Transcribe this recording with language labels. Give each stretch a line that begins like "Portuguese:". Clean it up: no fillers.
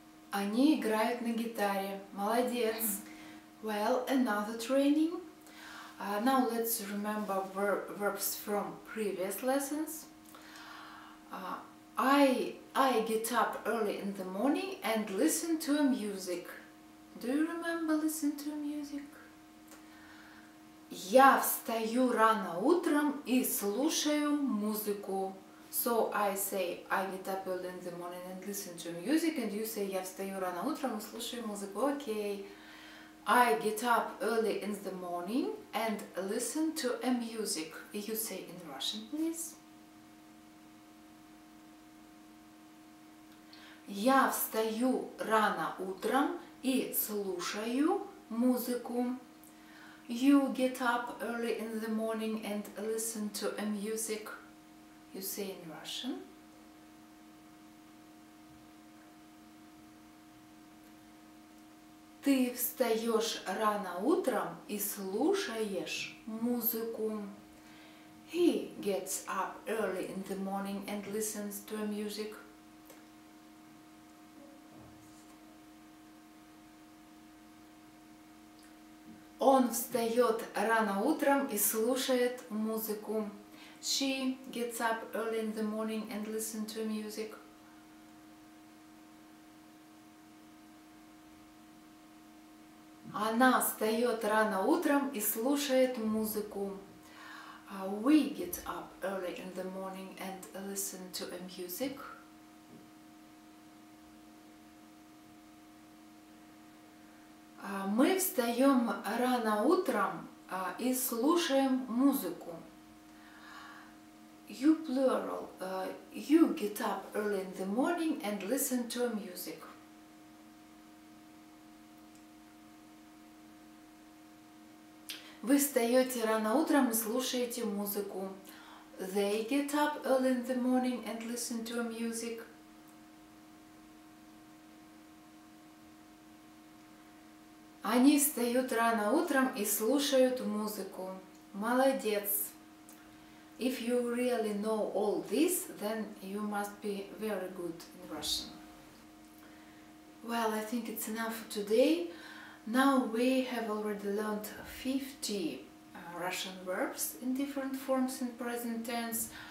Russian: Они играют на гитаре. Молодец.
English: Well, another training. Now let's remember verbs from previous lessons. I get up early in the morning and listen to music. Do you remember listen to music?
Russian: Я встаю рано утром и слушаю музыку.
English: So I say I get up early in the morning and listen to music, and you say
Russian: я встаю рано утром и слушаю музыку.
English: Okay. I get up early in the morning and listen to music. You say in Russian, please.
Russian: Я встаю рано утром и слушаю музыку.
English: You get up early in the morning and listen to music. You say in Russian.
Russian: Ты встаешь рано утром и слушаешь музыку.
English: He gets up early in the morning and listens to music.
Russian: Он встает рано утром и слушает музыку.
English: She gets up early in the morning and listens to music.
Russian: Она встает рано утром и слушает музыку.
English: We get up early in the morning and listen to music.
Russian: Мы встаем рано утром и слушаем музыку.
English: You plural. You get up early in the morning and listen to music.
Russian: Вы встаете рано утром и слушаете музыку.
English: They get up early in the morning and listen to music.
Russian: Они встают рано утром и слушают музыку. Молодец!
English: If you really know all this, then you must be very good in Russian. Well, I think it's enough for today. Now we have already learned 50 Russian verbs in different forms in present tense.